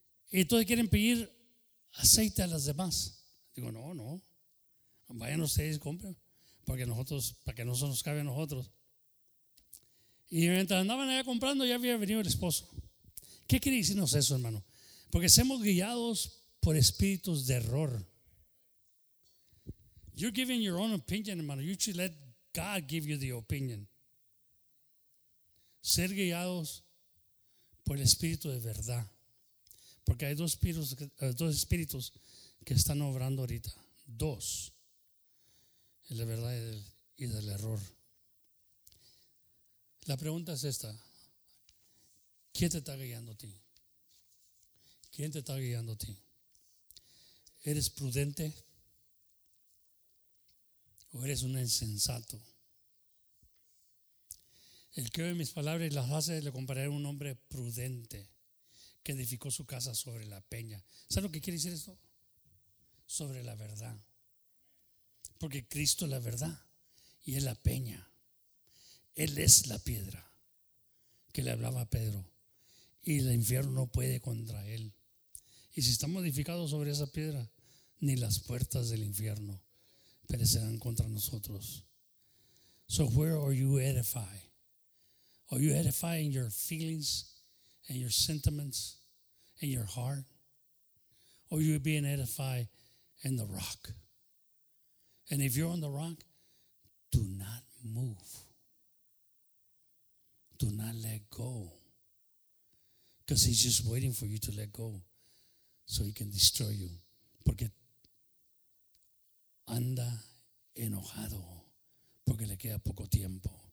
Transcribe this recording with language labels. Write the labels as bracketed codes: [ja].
[es] Y entonces quieren pedir aceite a las demás. Digo, no, no. Vayan ustedes y compren. Porque nosotros, para que no se nos cabe a nosotros. Y mientras andaban allá comprando, ya había venido el esposo. ¿Qué quiere decirnos eso, hermano? Porque somos guiados por espíritus de error. [en] You're giving your own opinion, hermano. You should let God give you the opinion. [es] Ser guiados por el espíritu de verdad. Porque hay dos espíritus que están obrando ahorita. Dos. El de verdad y del error. La pregunta es esta: ¿quién te está guiando a ti? ¿Quién te está guiando a ti? ¿Eres prudente o eres un insensato? El que oye mis palabras y las hace, le compararé a un hombre prudente que edificó su casa sobre la peña. ¿Sabes lo que quiere decir esto? Sobre la verdad. Porque Cristo es la verdad y es la peña. Él es la piedra que le hablaba a Pedro. Y el infierno no puede contra él. Y si estamos edificados sobre esa piedra, ni las puertas del infierno perecerán contra nosotros. [en] So where are you edified? Are you edifying your feelings and your sentiments and your heart? Or are you being edified in the rock? And if you're on the rock, do not move. Do not let go. Because he's just waiting for you to let go so he can destroy you. [es] Porque anda enojado porque le queda poco tiempo.